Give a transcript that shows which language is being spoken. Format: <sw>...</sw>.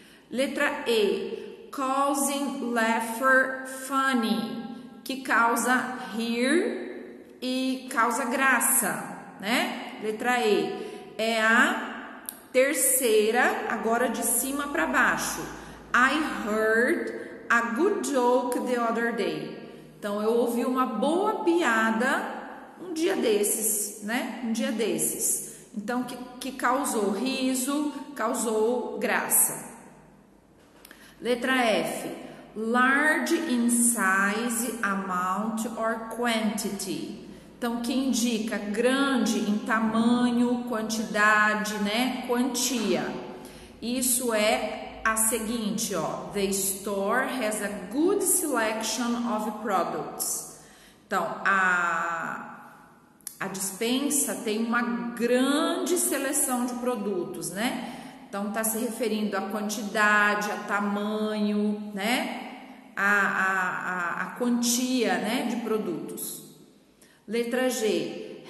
<pt>Letra E,</pt> <en>causing laughter funny,</en> <pt>que causa rir e causa graça, né? Letra E é a terceira, agora de cima para baixo.</pt> <en>I heard a good joke the other day.</en> <pt>Então eu ouvi uma boa piada um dia desses, né? Um dia desses. Então que causou riso, causou graça.</pt> <en>Letra F, large in size, amount or quantity.</en> <pt>Então, que indica grande em tamanho, quantidade, né? Quantia. Isso é a seguinte, ó.</pt> <en>The store has a good selection of products.</en> <pt>Então, a despensa tem uma grande seleção de produtos, né? Então, está se referindo à quantidade, a tamanho, né? A quantia, né? De produtos. Letra G.</pt>